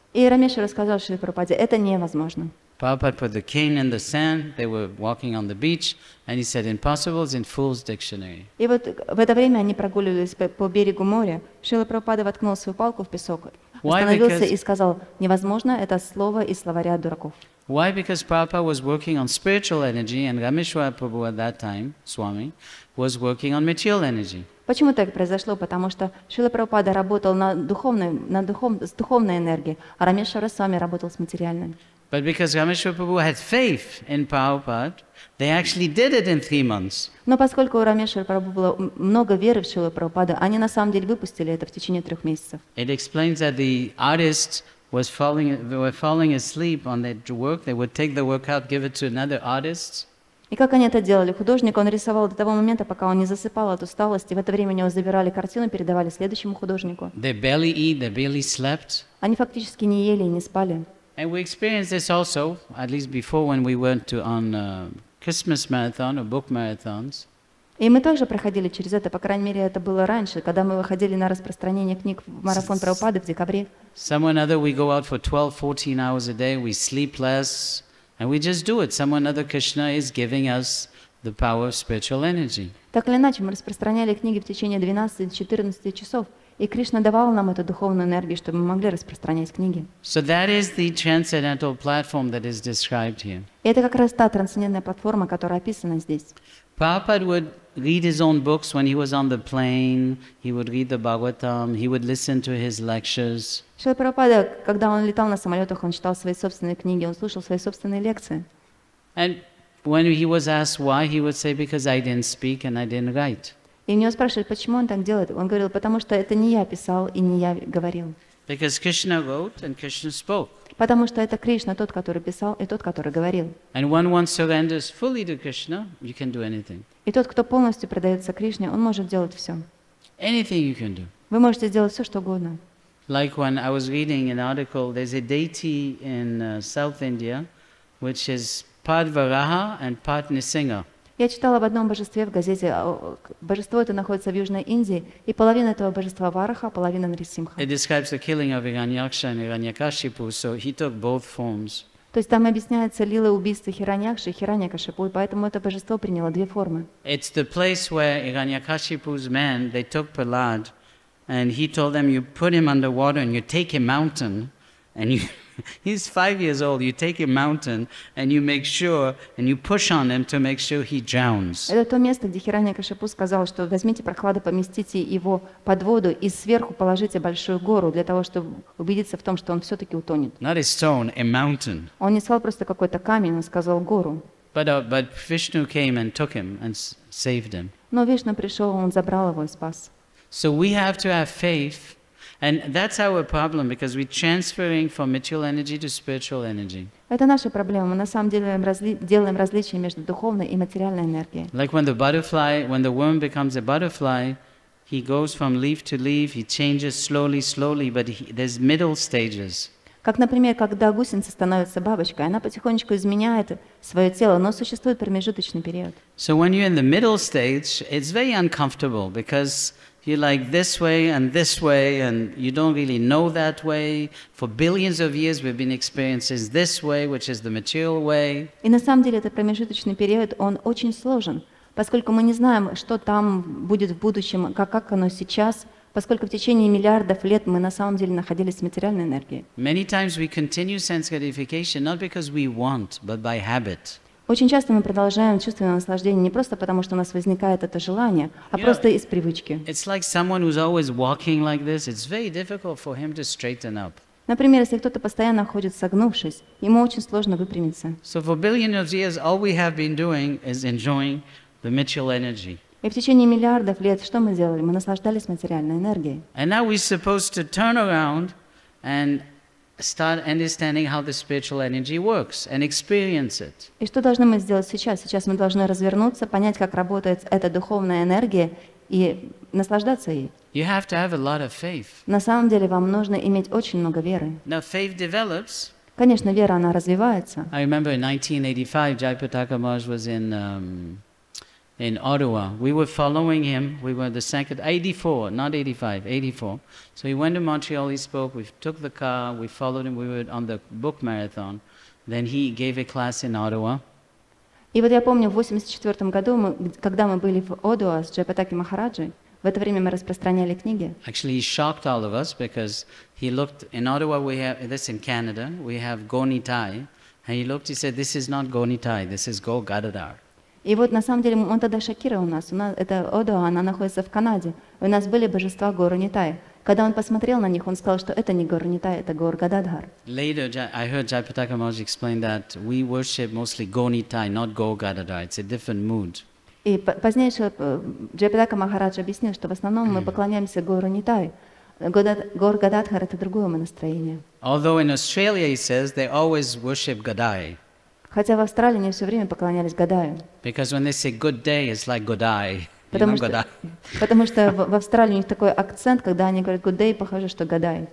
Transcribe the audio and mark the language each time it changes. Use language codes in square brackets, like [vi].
[ru] И Рамешвар сказал Шриле Прабхупаде, это невозможно. [en] Prabhupada put the cane in the sand, they were walking on the beach, and he said, impossible is in Fool's Dictionary. [ru] И вот в это время они прогуливались по берегу моря, Шрила Прабхупада воткнул свою палку в песок, остановился и сказал, невозможно, это слово из словаря дураков. [en] Why? Because Prabhupada was working on spiritual energy, and Rameshwar Prabhu at that time, Swami, was working on material energy. [ru] Почему так произошло? Потому что Шрила Прабхупада работал с духовной энергией, а Рамешвара с вами работал с материальной. [en] But because Rameshwar Prabhu had faith in Prabhupada, they actually did it in 3 months. [ru] Но поскольку у Рамешвара Прабху было много веры в Шрилу Прабхупаду, они на самом деле выпустили это в течение 3 месяцев. [en] It explains that the artists were falling asleep on their work. They would take the work out, give it to another artist. [ru] И как они это делали? Художник, он рисовал до того момента, пока он не засыпал от усталости. В это время у него забирали картину, передавали следующему художнику. [en] They barely eat, they barely slept. [ru] Они фактически не ели и не спали. [en] And we experienced this also, at least before, when we went to Christmas marathon or book marathons. [ru] И мы тоже проходили через это, по крайней мере, это было раньше, когда мы выходили на распространение книг в марафон Прабхупады в декабре. [en] Somewhere another, we go out for 12-14 hours a day, we sleep less, and we just do it. Somewhere another, Krishna is giving us the power of spiritual energy. [ru] Так или иначе, мы распространяли книги в течение 12-14 часов. И Кришна давал нам эту духовную энергию, чтобы мы могли распространять книги. [en] So that is the transcendental platform that is described here. [ru] И это как раз та трансцендентная платформа, которая описана здесь. [en] Prabhupada would read his own books when he was on the plane. He would read the Bhagavatam. He would listen to his lectures. [ru] Шрила Прабхупада, когда он летал на самолетах, он читал свои собственные книги, он слушал свои собственные лекции. [en] And when he was asked why, he would say, because I didn't speak and I didn't write. [ru] И у него спрашивают, почему он так делает? Он говорил, потому что это не я писал и не я говорил. [en] Because Krishna wrote and Krishna spoke. [ru] Потому что это Кришна тот, который писал и тот, который говорил. [en] And when one surrenders fully to Krishna, you can do anything. [ru] И тот, кто полностью предается Кришне, он может делать все. [en] Anything you can do. [ru] Вы можете сделать все, что угодно. [en] Like when I was reading an article, there's a deity in South India, which is part Varaha and part Nisinga. [ru] Я читала об одном божестве в газете. Божество это находится в Южной Индии, и половина этого божества Вараха, половина Нрисимха. [en] It describes the killing of Hiranyaksha and Hiranyakashipu, so he took both forms. [ru] То есть там объясняется лила убийства Хираньякши и Хираньякашипу, и поэтому это божество приняло две формы. [en] It's the place where Hiranyakashipu's men, they took Prahlad, and he told them, you put him under water and you take a mountain, and you... He's 5 years old. You take a mountain and you make sure, and you push on him to make sure he drowns. [ru] Это то место, где Хираньякашипу сказал, что возьмите Прохлада, поместите его под воду и сверху положите большую гору для того, чтобы убедиться в том, что он все-таки утонет. [en] Not a stone, a mountain. [ru] Он не сказал просто какой-то камень, он сказал гору. [en] But Vishnu came and took him and saved him. [ru] Но Вишну пришел, он забрал его и спас. [en] So we have to have faith. And that's our problem because we're transferring from material energy to spiritual energy. [ru] Это наша проблема. Мы на самом деле делаем различие между духовной и материальной энергией. [en] Like when the worm becomes a butterfly, he goes from leaf to leaf. He changes slowly, slowly, but there's middle stages. [ru] Как, например, когда гусеница становится бабочкой, она потихонечку изменяет свое тело, но существует промежуточный период. [en] So when you're in the middle stage, it's very uncomfortable because you're like this way and this way, and you don't really know that way. For billions of years, we've been experiences this way, which is the material way. [ru] И на самом деле этот промежуточный период он очень сложен, поскольку мы не знаем, что там будет в будущем, как оно сейчас, Поскольку в течение миллиардов лет мы на самом деле находились в материальной энергии. [en] Many times we continue sense gratification not because we want, but by habit. [ru] Очень часто мы продолжаем чувственное наслаждение не просто потому, что у нас возникает это желание, а просто из привычки. [en] It's like someone who's always walking like this. It's very difficult for him to straighten up. [ru] Например, если кто-то постоянно ходит согнувшись, ему очень сложно выпрямиться. [en] So for billions of years, all we have been doing is enjoying the material energy. [ru] И в течение миллиардов лет что мы делали? Мы наслаждались материальной энергией. [en] And now we're supposed to turn around and start understanding how the spiritual energy works and experience it. [ru] И что должны мы сделать сейчас? Сейчас мы должны развернуться, понять, как работает эта духовная энергия и наслаждаться ей. [en] You have to have a lot of faith. [ru] На самом деле вам нужно иметь очень много веры. [en] Now faith develops. [ru] Конечно, вера она развивается. [en] I remember in 1985, Jai Pataka Maharaj was in Ottawa. We were following him. We were the second 84, not 85, 84. So he went to Montreal. He spoke. We took the car. We followed him. We were on the book marathon. Then he gave a class in Ottawa. [ru] И вот я помню, в 84 году, когда мы были в Оттава с Джай Патаки Махараджи, в это время мы распространяли книги. [en] Actually, he shocked all of us because he looked in Ottawa. We have this in Canada. We have Goni Tai, and he looked. He said, "This is not Goni Tai. This is Go Gadadhar." [ru] И вот на самом деле он тогда шокировал нас. У нас это Оттава, она находится в Канаде. У нас были божества Гору Нитай. Когда он посмотрел на них, он сказал, что это не Гору Нитай, это Гор Гададхар. [en] Later, I heard Jai Pataka Maharaj explain that we worship mostly Goni Tai, not Gor Gadadhar. It's a different mood. [ru] И позднее Джай Патака Махарадж объяснил, что в основном мы поклоняемся Гору Нитай. Гор Гададхар — это другое настроение. [en] Although in Australia, he says, they always worship Gadai. [ru] Хотя в Австралии они все время поклонялись Гадаю. [en] Because when they say good day, it's like Godai. [ru] Потому что в Австралии у них такой акцент, когда они говорят [en] good day, [ru] похоже, что Гадай.